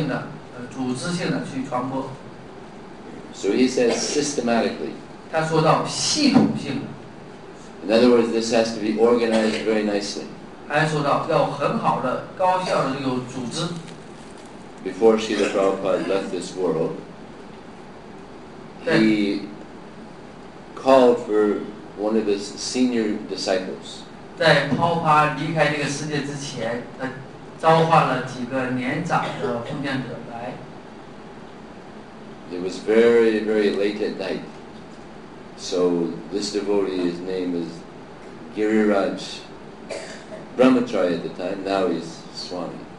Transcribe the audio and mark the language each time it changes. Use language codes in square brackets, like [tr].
[zh] 他在第一条写到，要最大可能的在这个时段中有系统性的、组织性的去传播。 [en] So he says systematically. [zh] 他说到系统性的。 [en] In other words, this has to be organized very nicely. [zh] 还说到要很好的、高效的这个组织。 [en] Before Srila Prabhupada left this world, he called for one of his senior disciples. [zh] 在Prabhupada离开这个世界之前，他召唤了几个年长的奉献者来。 [en] It was very, very late at night. So this devotee's name is Giriraj, Brahmacharya at the time, now he's Swami.